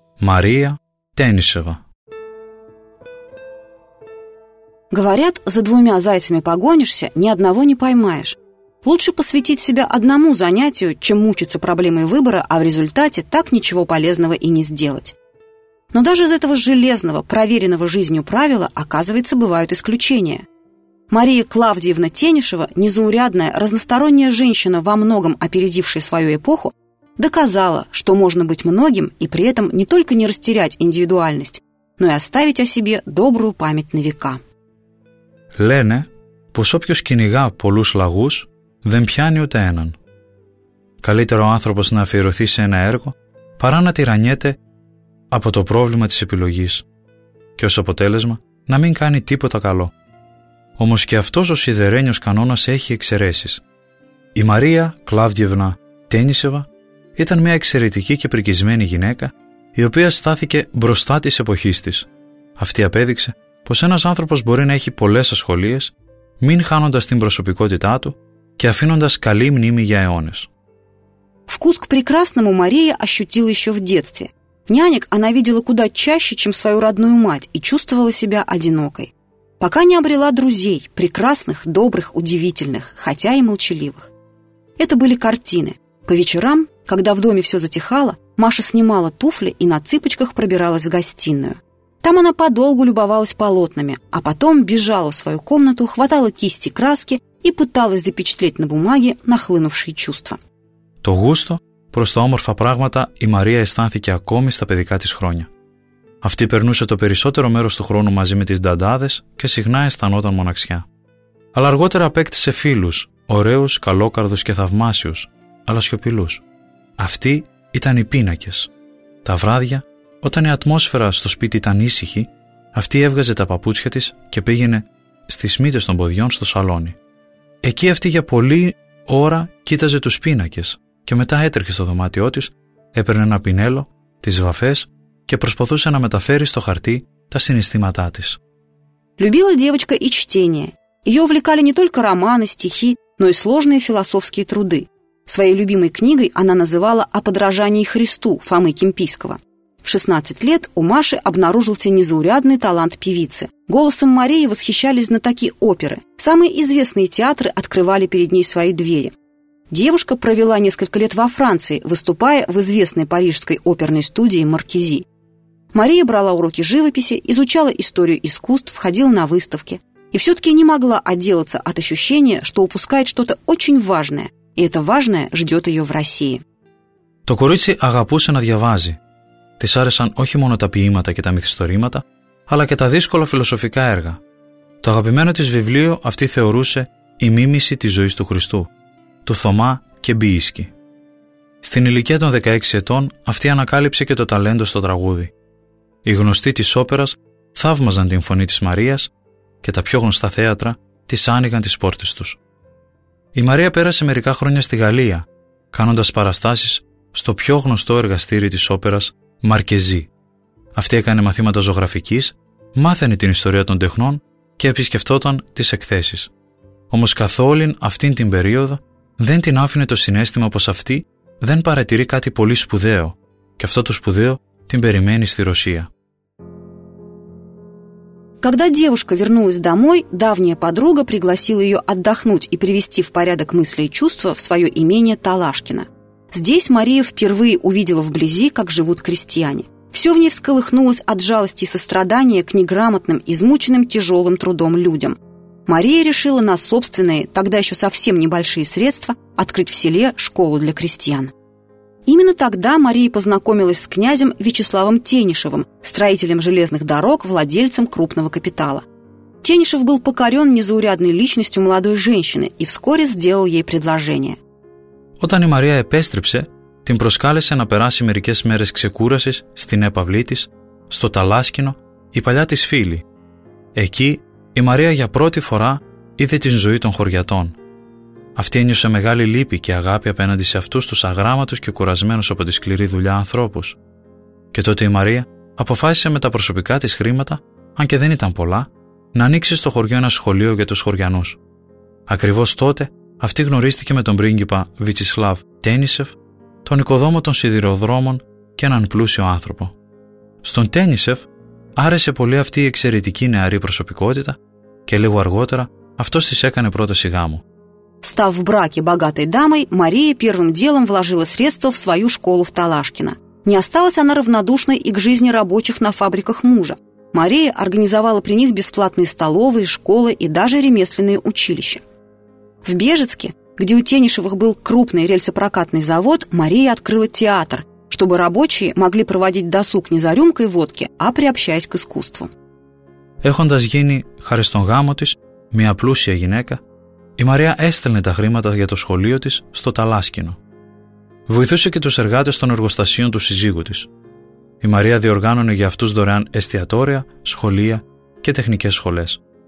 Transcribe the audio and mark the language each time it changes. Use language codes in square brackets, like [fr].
[ru] Мария Теннисова. Говорят, за двумя зайцами погонишься, ни одного не поймаешь. Лучше посвятить себя одному занятию, чем мучиться проблемой выбора, а в результате так ничего полезного и не сделать. Но даже из этого железного, проверенного жизнью правила, оказывается, бывают исключения. Мария Клавдиевна Теннисова, незаурядная, разносторонняя женщина, во многом опередившая свою эпоху, доказала, что можно быть многим и при этом не только не растерять индивидуальность, но и оставить о себе добрую память на века. [el] Лене, пос опьёс кинига полус лагус, δεν πιάνει ούτε έναν. Καλύτερο ο άνθρωπος να αφιερωθεί σε ένα έργο παρά να τυραννιέται από το πρόβλημα της επιλογής και ως αποτέλεσμα να μην κάνει τίποτα καλό. Όμως και αυτός ο σιδερένιος κανόνας έχει εξαιρέσεις. Η Μαρία Κλάβδιευνα Τένισεβα ήταν μια εξαιρετική και πρικισμένη γυναίκα η οποία στάθηκε μπροστά της εποχής της. Αυτή απέδειξε πως ένας άνθρωπος μπορεί να έχει πολλές ασχολίες μην χάνοντας την προσωπικότητά του και αφήνοντας καλή μνήμη για αιώνες. [ru] Вкус к прекрасному Мария ощутила еще в детстве. Нянек она видела куда чаще, чем свою родную мать, и чувствовала себя одинокой. Пока не обрела друзей, прекрасных, добрых, удивительных, хотя и молчаливых. Это были картины. По вечерам, когда в доме все затихало, Маша снимала туфли и на цыпочках пробиралась в гостиную. Там она подолгу любовалась полотнами, а потом бежала в свою комнату, хватала кисти и краски и пыталась запечатлеть на бумаге нахлынувшие чувства. [el] То густо, просто оморфа прагмата, и Мария эстанθηκε ακόμη στα παιδικά της χρόνια. Αυτή περνούσε το περισσότερο μέρος του χρόνου μαζί με τις νταντάδες και συχνά αισθανόταν μοναξιά. Αλλά αργότερα απέκτησε φίλους, ωραίους, καλόκαρδους και θαυμάσιους, αλλά σιωπηλούς. Αυτοί ήταν οι πίνακες. Τα βράδια, όταν η ατμόσφαιρα στο σπίτι ήταν ήσυχη, αυτή έβγαζε τα παπούτσια της και πήγαινε στις μύτες των ποδιών στο σαλόνι. Εκεί αυτή για πολλή ώρα κοίταζε τους πίνακες και μετά έτρεχε στο δωμάτιό της, έπαιρνε ένα πινέλο, τις βαφές και προσπαθούσε να μεταφέρει στο χαρτί τα συναισθήματά της. [ru] Любила девочка и чтение. Ее увлекали не только романы, стихи, но и сложные философские труды. Своей любимой книгой она называла «О подражании Христу» Фомы Кемпийского. В 16 лет у Маши обнаружился незаурядный талант певицы. Голосом Марии восхищались знатоки оперы. Самые известные театры открывали перед ней свои двери. Девушка провела несколько лет во Франции, выступая в известной парижской оперной студии «Маркизи». Мария брала уроки живописи, изучала историю искусств, ходила на выставки. И все-таки не могла отделаться от ощущения, что упускает что-то очень важное. И это важное ждет ее в России. [el] То курицы агапусе на дьявази. Της άρεσαν όχι μόνο τα ποίηματα και τα μυθιστορήματα, αλλά και τα δύσκολα φιλοσοφικά έργα. Το αγαπημένο της βιβλίο αυτή θεωρούσε «Η μίμηση της ζωής του Χριστού», του Θωμά Κεμπίισκη. Στην ηλικία των 16 ετών, αυτή ανακάλυψε και το ταλέντο στο τραγούδι. Οι γνωστοί της όπερας θαύμαζαν την φωνή της Μαρίας και τα πιο γνωστά θέατρα της άνοιγαν τις πόρτες τους. Η Μαρία πέρασε μερικά χρόνια στη Γαλλία, κάνοντας παραστάσεις στο πιο γνωστό εργαστήρι της όπερας, Μαρκεζή. Αυτή έκανε μαθήματα ζωγραφικής, μάθαινε την ιστορία των τεχνών και επισκεφτόταν τις εκθέσεις. Όμως καθόλην αυτήν την περίοδο δεν την άφηνε το συνέστημα πως αυτή δεν παρατηρεί κάτι πολύ σπουδαίο και αυτό το σπουδαίο την περιμένει στη Ρωσία. [ru] Когда девушка вернулась домой, давняя подруга пригласила ее отдохнуть и привести в порядок мысли и чувства в свое имение Талашкино. Здесь Мария впервые увидела вблизи, как живут крестьяне. Все в ней всколыхнулось от жалости и сострадания к неграмотным, измученным тяжелым трудом людям. Мария решила на собственные, тогда еще совсем небольшие средства, открыть в селе школу для крестьян. Именно тогда Мария познакомилась с князем Вячеславом Тенишевым, строителем железных дорог, владельцем крупного капитала. Тенишев был покорен незаурядной личностью молодой женщины и вскоре сделал ей предложение. [el] Όταν η Μαρία επέστρεψε, την προσκάλεσε να περάσει μερικές μέρες ξεκούρασης στην έπαυλή της, στο Ταλάσκινο, η παλιά της φίλη. Εκεί, η Μαρία για πρώτη φορά είδε την ζωή των χωριατών. Αυτή ένιωσε μεγάλη λύπη και αγάπη απέναντι σε αυτούς τους αγράμματους και κουρασμένους από τη σκληρή δουλειά ανθρώπους. Και τότε η Μαρία αποφάσισε με τα προσωπικά της χρήματα, αν και δεν ήταν πολλά, να ανοίξει στο χωριό ένα σχολείο για τους χωριανούς. Ακριβώς τότε, αυτή γνωρίστηκε με τον πρίγκιπα Βιτσισλάβ Τένισεφ, τον οικοδόμο των σιδηροδρόμων και έναν πλούσιο άνθρωπο. Στον Τένισεφ άρεσε πολύ αυτή η εξαιρετική νεαρή προσωπικότητα και λίγο αργότερα αυτός της έκανε πρόταση γάμου. [ru] Став в браке богатой дамой, Мария первым делом вложила средства в свою школу в Талашкино. Не осталась она равнодушной и к жизни рабочих на фабриках мужа. Мария организовала при них бесплатные столовые, школы и даже ремесленные училища. В Бежецке, где у Тенишевых был крупный рельсопрокатный завод, Мария открыла театр, чтобы рабочие могли проводить досуг не за рюмкой водки, а приобщаясь к искусству. [el] Έχοντας γίνει χάρη στον γάμο της μια πλούσια γυναίκα, η Μαρία έστελνε τα χρήματα για το σχολείο της στο Ταλάσκινο. Βοηθούσε και τους εργάτες των εργοστασίων του συζύγου της. Η Μαρία διοργάνωνε για αυτούς δωρεάν εστιατόρια, σχολεία και τεχνικές σχολές.